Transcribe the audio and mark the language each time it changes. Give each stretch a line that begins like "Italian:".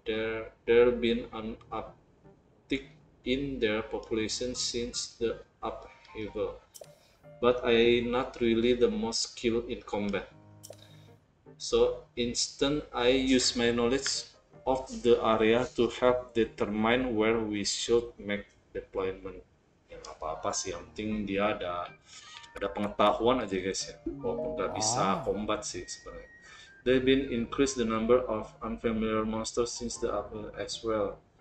English: There been an uptick in their population since the upheaval, but I not really the most skilled in combat. So instead, I use my knowledge of the area to help determine where we should make deployment.
Indonesian: Ya apa-apa sih, yang penting dia ada pengetahuan aja guys ya. Walaupun nggak bisa combat sih sebenarnya.
English: They've been increased the number of unfamiliar monsters since the upheaval as well.